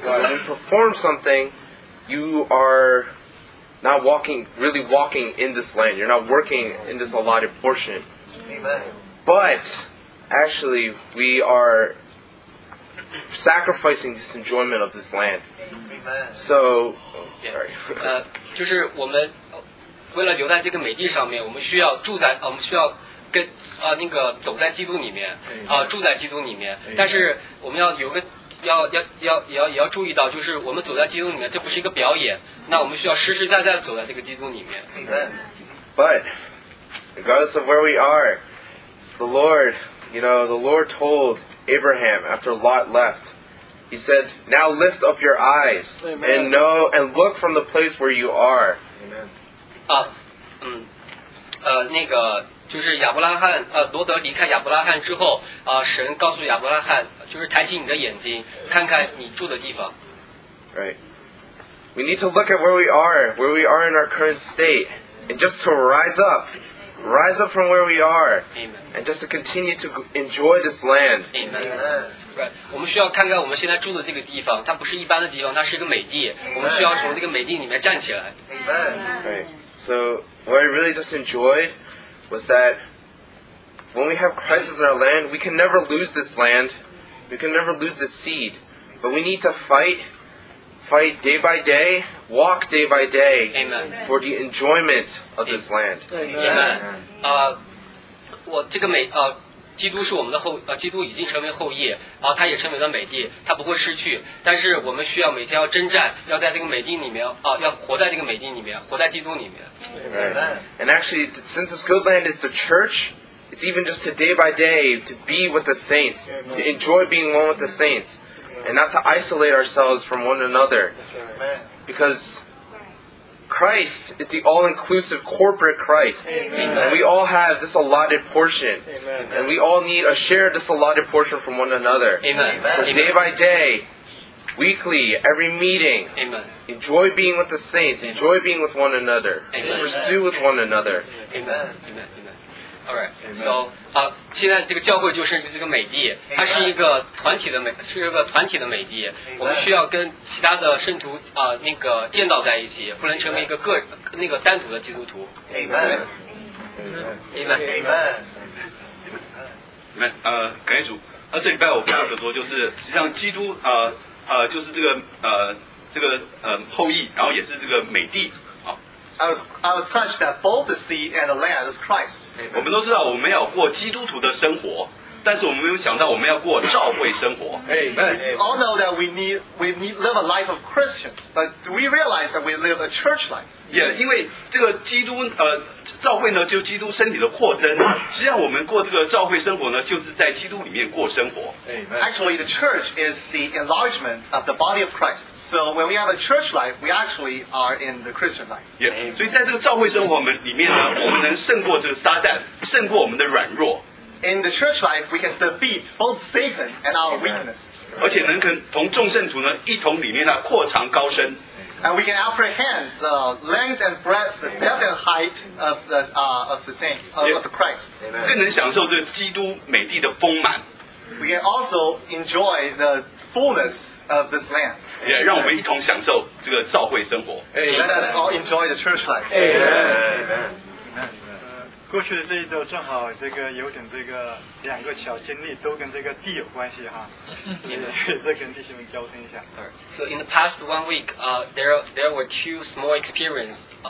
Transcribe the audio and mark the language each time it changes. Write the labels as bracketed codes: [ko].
[en] Because when you perform something, you are not walking, really walking in this land. You're not working in this allotted portion. Amen. But actually, we are sacrificing this enjoyment of this land. Amen. So, sorry. [zh] 就是我们为了留在这个美地上面，我们需要住在，我们需要。跟那个走在基督里面，住在基督里面。但是我们要有个要注意到，就是我们走在基督里面，这不是一个表演，那我们需要实实在在走在这个基督里面。 [en] But regardless of where we are, the Lord, you know, the Lord told Abraham after Lot left, He said, "Now lift up your eyes and know and look from the place where you are." [zh] Amen. 啊，嗯，那个。就是亚伯拉罕罗德离开亚伯拉罕之后神告诉亚伯拉罕就是抬起你的眼睛看看你住的地方 [en] Right We need to look at where we are in our current state and just to rise up from where we are Amen and just to continue to enjoy this land [zh] Amen Right 我们需要看看我们现在住的这个地方它不是一般的地方它是一个美地我们需要从这个美地里面站起来 [en] Amen Right So what I really just enjoyedwas that when we have Christ as our land, we can never lose this land, we can never lose this seed, but we need to fight day by day, walk day by day、 Amen. for the enjoyment of this land. Amen. Amen. [zh] 基督是我们的后基督已经成为后裔他也成为了美帝他不会失去但是我们需要每天要征战要在这个美帝里面要活在这个美帝里面活在基督里面 [en] Right. And actually since this good land is the church it's even just a day by day to be with the saints to enjoy being one with the saints and not to isolate ourselves from one another becauseChrist is the all-inclusive corporate Christ. Amen. And we all have this allotted portion. Amen. And we all need to share this allotted portion from one another. Amen. So Amen. day by day, weekly, every meeting, Amen. enjoy being with the saints, Amen. enjoy being with one another, Amen. pursue with one another. [zh] Amen. Amen. Alright, so 现在这个教会就是这个美地，它是一个团体的美，是一个团体的美地。我们需要跟其他的圣徒那个建造在一起，不能成为一个个那个单独的基督徒。 [en] Amen. Amen. Amen. [zh] Amen. 感谢主。这礼拜我跟大家说，就是实际上基督就是这个后裔，然后也是这个美地。 [en] I was touched that both the seed and the land is Christ. [zh] 我们都知道我们要过基督徒的生活，但是我们没有想到我们要过教会生活。 [en] Amen. We all know that we need live a life of Christians, but do we realize that we live a church life? [zh] Yeah, 因为这个基督教会呢，就基督身体的扩增。实际上，我们过这个教会生活呢，就是在基督里面过生活。 [en] Amen. Actually, the church is the enlargement of the body of Christ. So when we have a church life, we actually are in the Christian life. Yeah. [zh] 所以在这个教会生活里面呢，我们能胜过这个撒旦，胜过我们的软弱。 [en] In the church life, we can defeat both Satan and our weakness. [zh] 而且能跟同众圣徒呢一同里面呢扩长高深。 [en] And we can apprehend the length and breadth, the depth and height of the saint of the Christ. [zh] 更能享受这基督美地的丰满。 [en] We can also enjoy the fullness of this land. [zh] Yeah, 让我们一同享受这个教会生活。 [en] Let us all enjoy the church life. Amen. Amen. Amen. [zh] 过去的这一周正好这个有点这个两个小经历都跟这个地有关系哈。再跟弟兄们交通一下。 [en] So in the past one week, there were two small experiences.